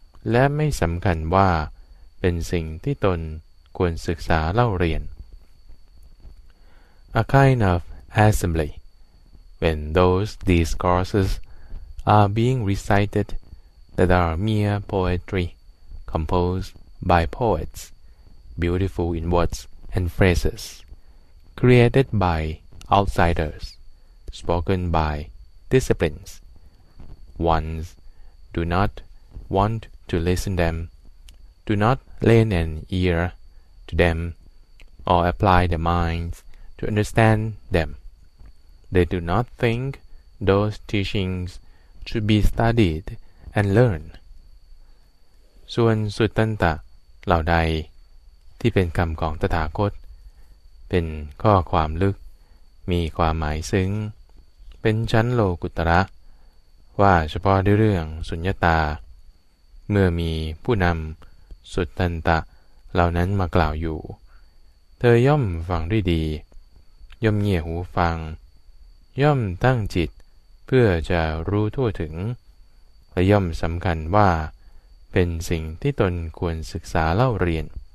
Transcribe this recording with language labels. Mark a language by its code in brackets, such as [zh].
[th] และไม่สำคัญว่าเป็นสิ่งที่ตนควรศึกษาเล่าเรียน [en] A kind of assembly when those discourses are being recited that are mere poetry composed by poets beautiful in words and phrases created by outsidersspoken by disciplines. Ones do not want to listen them, do not lend an ear to them, or apply their minds to understand them. They do not think those teachings should be studied and learned. [th] ส่วนสุตตันตะเหล่าใดที่เป็นคำของตถาคตเป็นข้อความลึกมีความหมายซึ้งเป็นชั้นโลกุตระว่าเฉพาะด้วยเรื่องสุญญตา เมื่อมีผู้นำสุตตันตะเหล่านั้นมากล่าวอยู่เธอย่อมฟังด้วยดีย่อมเงี่ยหูฟังย่อมตั้งจิตเพื่อจะรู้ทั่วถึงและย่อมสำคัญว่าเป็นสิ่งที่ตนควรศึกษาเล่าเรียน